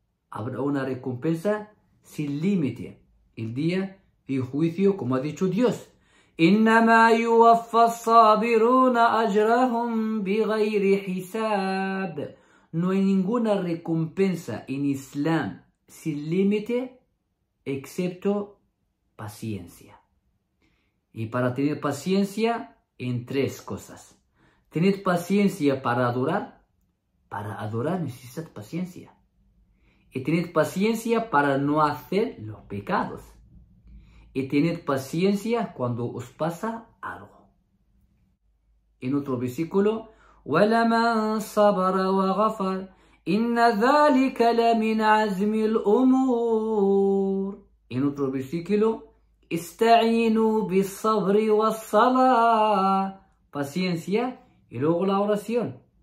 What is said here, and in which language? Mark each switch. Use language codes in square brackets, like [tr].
[es] Habrá una recompensa sin límite el día y juicio, como ha dicho Dios. [ar] إنما يوفى الصابرون أجرهم بغير حساب. [es] No hay ninguna recompensa en Islam sin límite, excepto paciencia. Y para tener paciencia, en tres cosas. Tener paciencia para adorar necesitas paciencia. Y tener paciencia para no hacer los pecados. Y tener paciencia cuando os pasa algo. En otro versículo, [ar] ولمن صبر وغفر إن ذلك لمن عزم الأمور. [es] En otro versículo, [ar] استعينوا بالصبر والصلاة. [es] Paciencia y luego la oración.